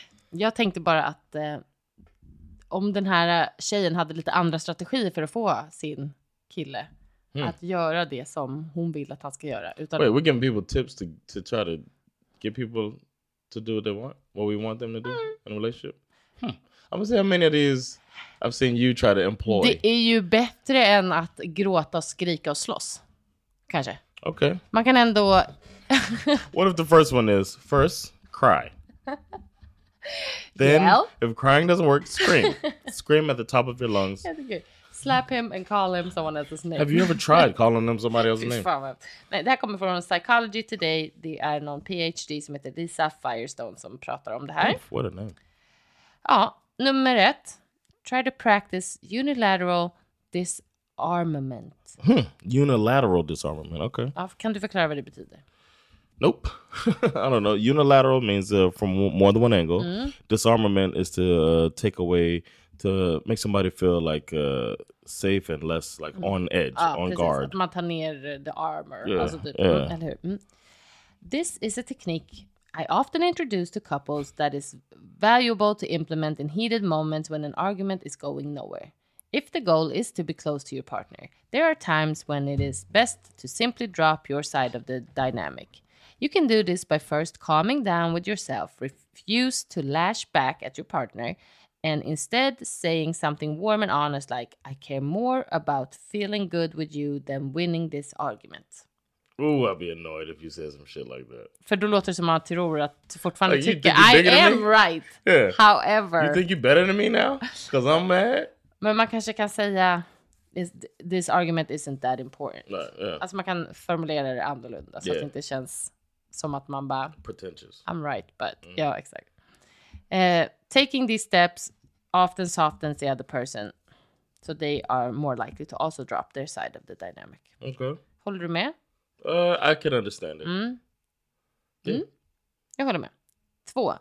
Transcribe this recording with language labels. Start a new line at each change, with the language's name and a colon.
Swedish: Jag tänkte bara att om den här tjejen hade lite andra strategier för att få sin kille att göra det som hon vill att han ska göra. Utan
English: wait, we're giving people tips to try to get people to do what they want, what we want them to do in a relationship. I'm gonna say how many of these I've seen you try to employ.
Swedish: Det är ju bättre än att gråta, skrika och slåss. Kanske.
English: Okay.
Swedish: Man kan ändå...
English: What if the first one is, first, cry. Then, yeah. If crying doesn't work, scream. Scream at the top of your lungs. Slap him and call him someone else's name. Have you ever tried calling them somebody else's name?
Swedish: Nej, det här kommer från Psychology Today. Det är någon PhD som heter Lisa Firestone som pratar om det här.
English: Oof, what a name.
Swedish: Ja, nummer ett.
English: Try to practice unilateral disarmament. Unilateral disarmament, okay.
Swedish: Ja, kan du förklara vad det betyder?
English: Nope. I don't know. Unilateral means from more than one angle. Disarmament is to take away... To make somebody feel like safe and less like on edge,
Swedish: ja,
English: on
Swedish: precis,
English: guard.
Swedish: Att man tar ner
English: the armor. Yeah,
Swedish: alltså typ,
English: yeah.
Swedish: Eller hur?
English: This is a technique I often introduce to couples that is valuable to implement in heated moments when an argument is going nowhere. If the goal is to be close to your partner, there are times when it is best to simply drop your side of the dynamic. You can do this by first calming down with yourself, refuse to lash back at your partner, and instead saying something warm and honest like, I care more about feeling good with you than winning this argument. Ooh, I'd be annoyed if you said some shit like that.
Swedish: För då låter som att du fortfarande tycker,
English: I am right. Yeah. However. You think you're better than me now? Because I'm mad?
Swedish: Men man kanske kan säga,
English: this argument isn't that important. Nah, yeah.
Swedish: Alltså man kan formulera det annorlunda så
English: yeah.
Swedish: att det inte känns som att man bara,
English: pretentious. I'm right, but, mm. Yeah, exactly. Taking these steps often softens the other person, so they are more likely to also drop their side of the dynamic. Okay.
Swedish: Håller du med?
English: I can understand it.
Swedish: Mm. Yeah. Mm. Jag håller med. Två.